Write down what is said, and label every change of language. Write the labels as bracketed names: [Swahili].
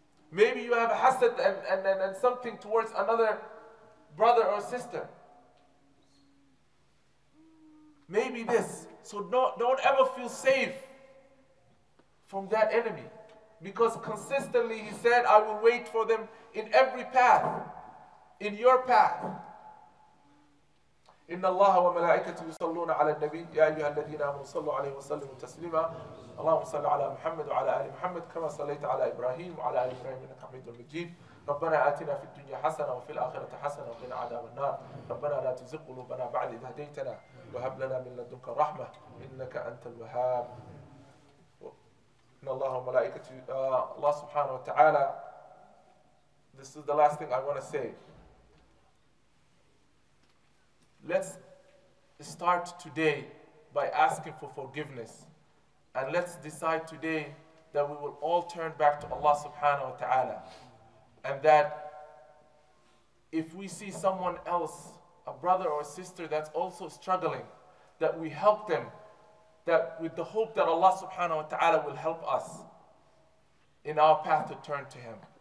[English] Maybe you have a hasad and something towards another brother or sister. Maybe this. So don't ever feel safe from that enemy. Because consistently he said, I will wait for them in every path, in your path. [Arabic] إن الله وملائكته يصلون على النبي يا أيها الذين آمنوا صلوا عليه وسلموا تسليما اللهم صل على محمد وعلى آل محمد كما صليت على إبراهيم وعلى آل إبراهيم إنك حميد مجيد ربنا آتنا في الدنيا حسنة وفي الآخرة حسنة وقنا عذاب النار ربنا لا تزغ قلوبنا بعد إذ هديتنا وهب لنا من لدنك رحمة إنك أنت الوهاب إن الله وملائكته الله سبحانه وتعالى [English] This is the last thing I want to say. Let's start today by asking for forgiveness. And let's decide today that we will all turn back to Allah subhanahu wa ta'ala. And that if we see someone else, a brother or a sister that's also struggling, that we help them, that with the hope that Allah subhanahu wa ta'ala will help us in our path to turn to Him.